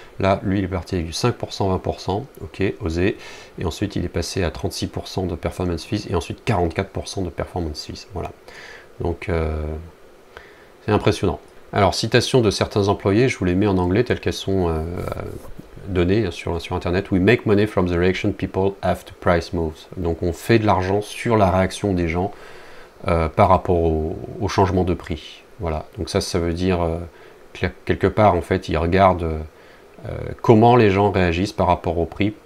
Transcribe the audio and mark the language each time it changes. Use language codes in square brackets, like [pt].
[fr] Là, lui, il est parti avec du 5%, 20%, ok, osé. Et ensuite, il est passé à 36% de performance fees et ensuite 44% de performance fees. Voilà. Donc, c'est impressionnant. Alors, citation de certains employés, je vous les mets en anglais telles qu'elles sont données sur Internet. [en] We make money from the reaction people after price moves. [fr] Donc, on fait de l'argent sur la réaction des gens par rapport au changement de prix. Voilà. Donc, ça veut dire quelque part, en fait, ils regardent comment les gens réagissent par rapport au prix.